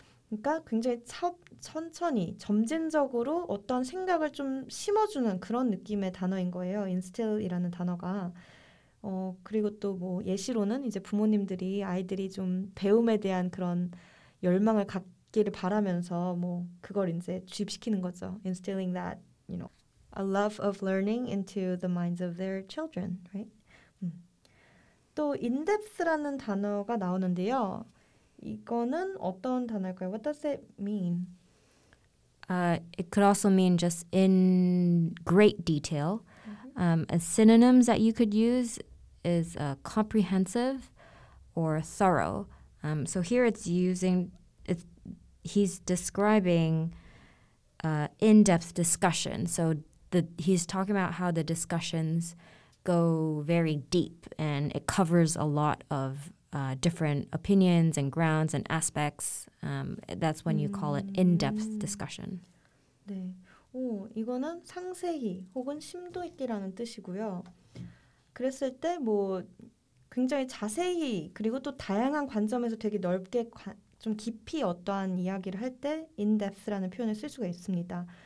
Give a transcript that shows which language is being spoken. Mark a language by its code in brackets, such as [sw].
[ko] 그러니까 굉장히 천천히 점진적으로 어떤 생각을 좀 심어주는 그런 느낌의 단어인 거예요. instill이라는 단어가. 그리고 또 뭐 예시로는 이제 부모님들이 아이들이 좀 배움에 대한 그런 열망을 갖기를 바라면서 뭐 그걸 이제 주입시키는 거죠. [en] instilling that, you know, a love of learning into the minds of their children, right? [ko] 또 in-depth라는 단어가 나오는데요. 이거는 어떤 단어일까요? [en] What does it mean? It could also mean just in great detail. Synonyms that you could use is comprehensive or thorough. So here he's describing in-depth discussion. So he's talking about how the discussions go very deep and it covers a lot of different opinions and grounds and aspects. That's when you call it in-depth discussion. [ko] 네. 이거는 상세히 혹은 심도 있게라는 뜻이고요. 그랬을 때 뭐 굉장히 자세히 그리고 또 다양한 관점에서 되게 넓게 좀 깊이 어떠한 이야기를 할 때 in-depth라는 표현을 쓸 수가 있습니다.